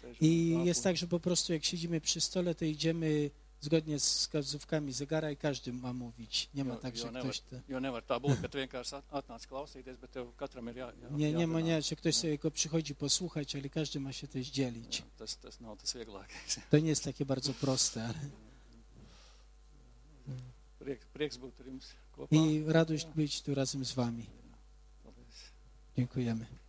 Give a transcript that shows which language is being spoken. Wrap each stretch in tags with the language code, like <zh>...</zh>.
<pl>I jest tak, że po prostu jak siedzimy przy stole, to idziemy zgodnie z wskazówkami zegara i każdy ma mówić. Nie ma tak, że ktoś to...</pl> <lv>Jo nevar tā būt, ka tu vienkārši atnāc klausīties, bet tev katram ir jā.</lv> <pl>Nie, nie, man jā, że ktoś sobie przychodzi posłuchać, ale każdy ma się też dzielić. Tas nav tas vieglākais. To nie jest takie bardzo proste, ale...</pl> <lv>Prieks būt ar jums kopā.</lv> <pl>I radość być tu razem z vami. Dziękujemy.</pl>